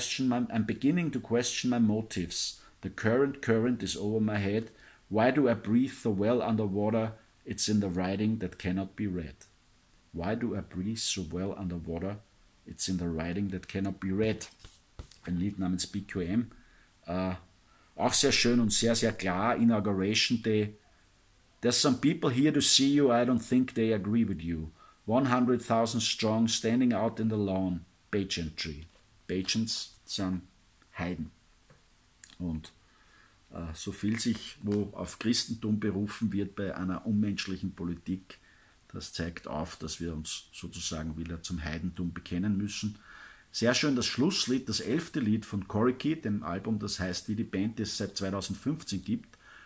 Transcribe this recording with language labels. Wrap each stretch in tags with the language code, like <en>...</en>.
<en>I'm beginning to question my motives. The current is over my head. Why do I breathe so well underwater? It's in the writing that cannot be read. Why do I breathe so well underwater? It's in the writing that cannot be read.</en> <de>Ein Lied namens BQM. Auch sehr schön und sehr, sehr klar, Inauguration Day.</de> <en>There's some people here to see you, I don't think they agree with you. 100,000 strong, standing out in the lawn, pageantry.</en> <de>Pageants sind Heiden. Und so viel sich, wo auf Christentum berufen wird bei einer unmenschlichen Politik, das zeigt auf, dass wir uns sozusagen wieder zum Heidentum bekennen müssen. Sehr schön das Schlusslied, das 11. Lied von Corky, dem Album, das heißt, wie die Band es seit 2015 gibt.</de>